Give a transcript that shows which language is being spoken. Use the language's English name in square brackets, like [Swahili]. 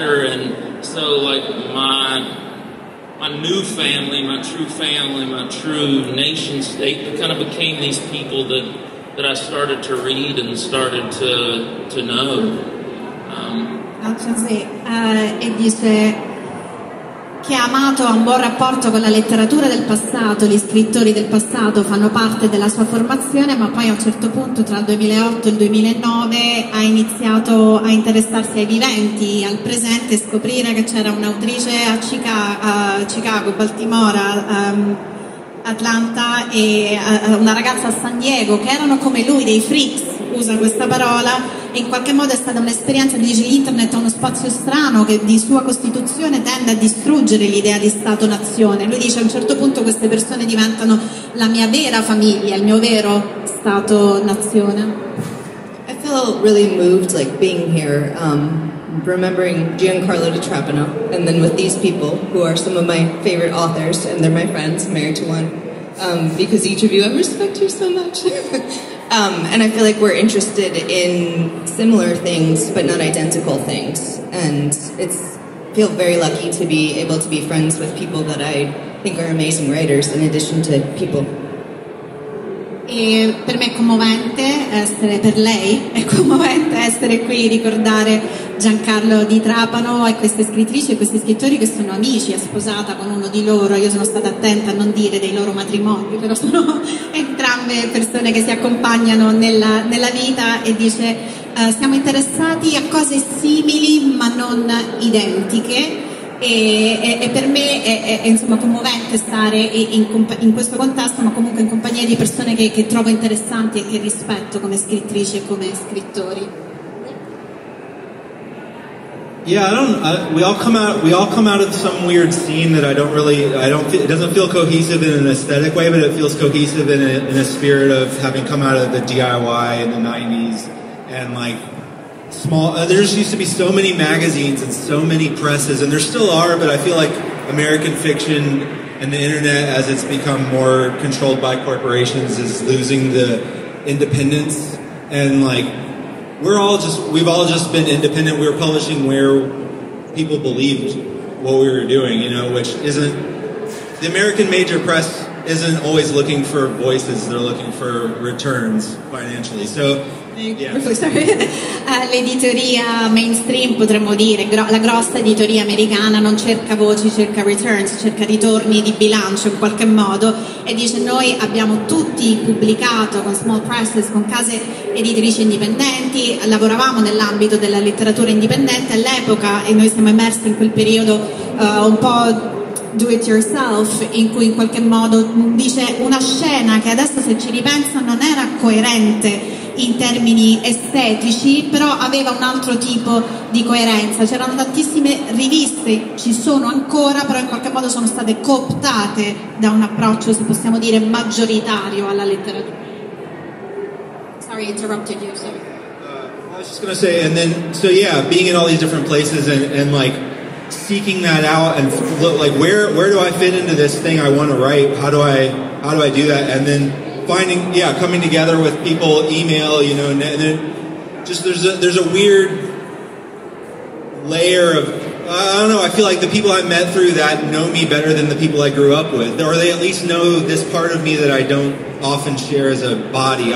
[English] And so, like, my new family, my true family, my true nation state kind of became these people that I started to read and started to know. [Italian] Che ha amato, ha un buon rapporto con la letteratura del passato, gli scrittori del passato fanno parte della sua formazione, ma poi a un certo punto tra il 2008 e il 2009 ha iniziato a interessarsi ai viventi, al presente, scoprire che c'era un'autrice a Chicago, Baltimora, Atlanta, e una ragazza a San Diego, che erano come lui, dei freaks, usa questa parola, e in qualche modo è stata un'esperienza, dice, l'internet è uno spazio strano che di sua costituzione tende a distruggere l'idea di Stato-Nazione. Lui dice, a un certo punto queste persone diventano la mia vera famiglia, il mio vero Stato-Nazione. [English] I feel really moved, like, being here, remembering Giancarlo Di Trapano, and then with these people, who are some of my favorite authors, and they're my friends, married to one, because each of you, I respect you so much. And I feel like we're interested in similar things, but not identical things. And it's feel very lucky to be able to be friends with people that I think are amazing writers, in addition to people. [Italian] E per me è commovente essere, per lei è commovente essere qui, ricordare Giancarlo Di Trapano e queste scrittrici e questi scrittori che sono amici, è sposata con uno di loro, io sono stata attenta a non dire dei loro matrimoni, però sono entrambe persone che si accompagnano nella vita, e dice siamo interessati a cose simili ma non identiche. E per me è insomma commovente stare in questo contesto, ma comunque in compagnia di persone che trovo interessanti e che rispetto come scrittrici e come scrittori. [English] Yeah, I don't. We all come out of some weird scene that I don't really. It doesn't feel cohesive in an aesthetic way, but it feels cohesive in a spirit of having come out of the DIY in the 90s and like small. There just used to be so many magazines and so many presses, and there still are. But I feel like American fiction and the internet, as it's become more controlled by corporations, is losing the independence and like. We've all just been independent. We were publishing where people believed what we were doing, you know, which isn't, the American major press isn't always looking for voices, they're looking for returns financially. So, yeah. [Italian] L'editoria mainstream, potremmo dire, la grossa editoria americana non cerca voci, cerca returns, cerca ritorni di bilancio in qualche modo, e dice noi abbiamo tutti pubblicato con [English] small presses, [Italian] con case editrici indipendenti, lavoravamo nell'ambito della letteratura indipendente all'epoca, e noi siamo immersi in quel periodo un po' [English] do it yourself, [Italian] in cui in qualche modo dice una scena che adesso se ci ripenso non era coerente in termini estetici, però aveva un altro tipo di coerenza. C'erano tantissime riviste, ci sono ancora, però in qualche modo sono state cooptate da un approccio, se possiamo dire, maggioritario alla letteratura. [English] Sorry, interrupted you, sir. I was just gonna say, and then, so yeah, being in all these different places and like seeking that out and look like where do I fit into this thing I want to write, how do I do that, and then finding, yeah, coming together with people, email, you know, and then just there's a weird layer of, I don't know, I feel like the people I met through that know me better than the people I grew up with, or they at least know this part of me that I don't often share as a body.